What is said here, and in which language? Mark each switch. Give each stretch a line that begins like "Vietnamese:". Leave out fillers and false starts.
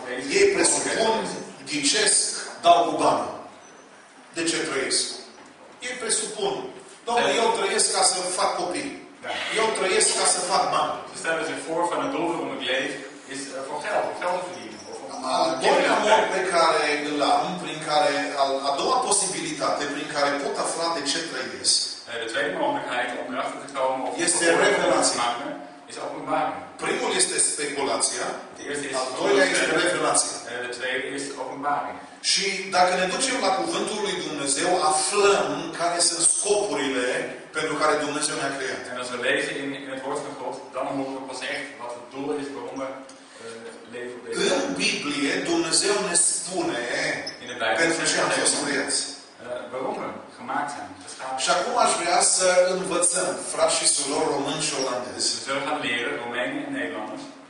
Romanian: Ei presupun, ghicesc, dau cu bani. De ce trăiesc? Ei presupun. Domnule, eu trăiesc ca să fac copii. Eu trăiesc ca să fac bani.
Dutch: Ze stellen zich voor van het doel van het leven is voor geld verdienen.
Romanian: Al doilea mod pe care îl am, prin care, a doua posibilitate prin care pot afla de ce trăiesc.
Dutch: De tweede mogelijkheid om erachter te komen of
Romanian: este revelatie.
Dutch: Is openbaar.
Romanian: Primul este speculația. Al doilea este revelatie.
Dutch: De tweede is openbaring.
Romanian: Și dacă ne ducem la Cuvântul lui Dumnezeu, aflăm care sunt scopurile pentru care Dumnezeu ne-a creat.
Dutch: En als we lezen in het woord van God, dan horen we pas echt wat het doel is waarom we leven.
Romanian: În Biblie Dumnezeu ne spune pentru ce am fost creați.
Dutch: Waarom we gemaakt zijn.
Romanian: Și acum aș vrea să învățăm, frați și surori români și olandezi.
Dutch: We gaan leren, Romeini en Nederlanders.